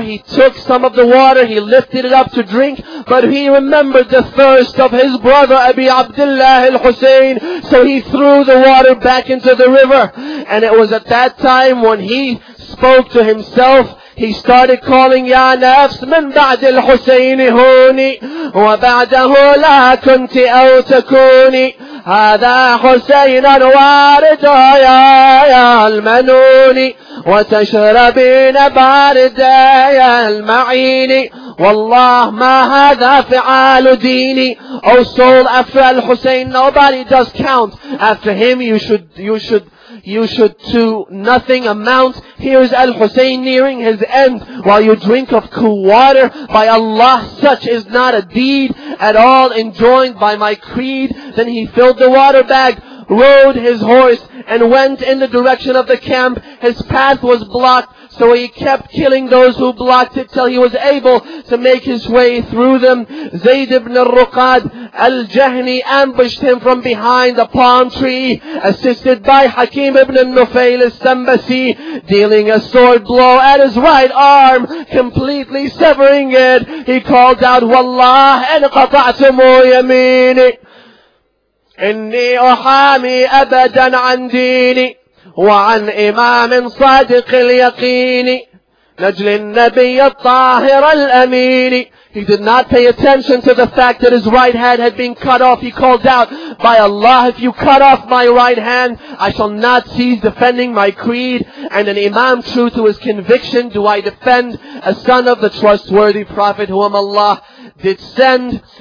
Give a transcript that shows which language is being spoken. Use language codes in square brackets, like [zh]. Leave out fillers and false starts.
[en] He took some of the water, he lifted it up to drink, but he remembered the thirst of his brother Abi Abdullah al-Hussein, so he threw the water back into the river. And it was at that time when he spoke to himself, he started calling, [ar] Ya nafs min ba'd al-Husayn huni, wa ba'dahu la kunti aw takuni. هذا حسين الوارد يا المنون وتشرب نبارد يا المعين والله ما هذا فعال ديني. [en] Oh soul after Al-Hussein, nobody does count. After him you should to nothing amount. Here is Al-Hussein nearing his end while you drink of cool water. By Allah, such is not a deed at all enjoined by my creed. Then he filled the water bag, rode his horse, and went in the direction of the camp. His path was blocked, so he kept killing those who blocked it till he was able to make his way through them. Zayd ibn al-Ruqad al-Jahni ambushed him from behind a palm tree, assisted by Hakim ibn al-Nufail al-Sambasi, dealing a sword blow at his right arm, completely severing it. He called out, [ar] Wallah, in qata'tumu yameeni. إني أحامي أبدا عن ديني وعن إمام صادق اليقين نجل النبي الطاهر الأمين. [en] He did not pay attention to the fact that his right hand had been cut off. He called out, by Allah, if you cut off my right hand, I shall not cease defending my creed. And an imam true to his conviction, do I defend a son of the trustworthy prophet whom Allah did send.